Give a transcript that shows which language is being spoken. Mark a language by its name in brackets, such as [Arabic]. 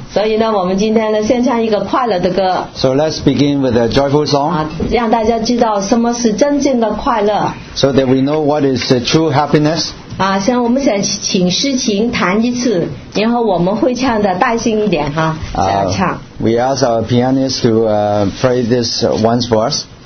[Chinese] 所以呢，我们今天呢，先唱一个快乐的歌。 [English] So let's begin with a joyful song. [Chinese] 让大家知道什么是真正的快乐。 [English] So that we know what is the true happiness. [Chinese] 先我们想请诗琴弹一次，然后我们会唱的大声一点哈，唱。 [English] We ask our pianist to play this once for us.